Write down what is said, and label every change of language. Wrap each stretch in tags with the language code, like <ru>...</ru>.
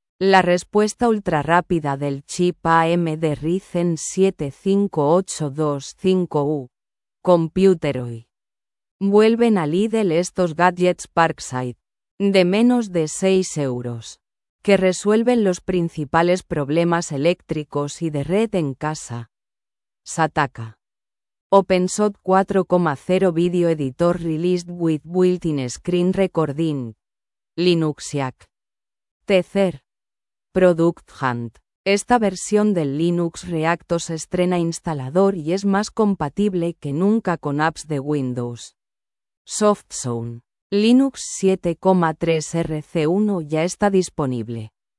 <es>La respuesta ultrarrápida del chip AMD Ryzen 75825U. Computer hoy. Vuelven a Lidl estos gadgets Parkside. De menos de 6 euros. Que resuelven los principales problemas eléctricos y de red en casa. Sataka.</es> <en>OpenShot 4.0 Video Editor Released with Built-in Screen Recording. Linuxiac. Tether. Product Hunt.</en> <es>Esta versión del Linux React OS estrena instalador y es más compatible que nunca con apps de Windows. SoftZone. Linux 7.3 RC1 ya está disponible.</es>